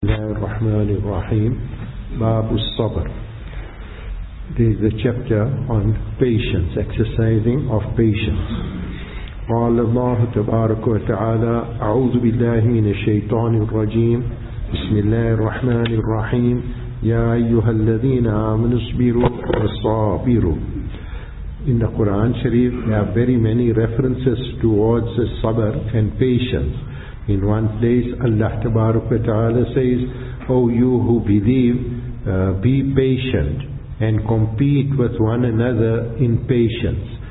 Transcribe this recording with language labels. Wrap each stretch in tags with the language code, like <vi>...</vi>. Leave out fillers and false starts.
<ar>الرحمن الرحيم باب الصبر.</ar> <en>This is a chapter on patience, exercising of patience.</en> <ar>قال الله تبارك وتعالى أعوذ بالله من الشيطان الرجيم بسم الله الرحمن الرحيم يا أيها الذين آمنوا اصبروا وصابروا.</ar> <en>In the Quran Sharif, there are very many references towards the sabr and patience. In one place, Allah Tabaruk wa Ta'ala says, O you who believe, be patient and compete with one another in patience.</en>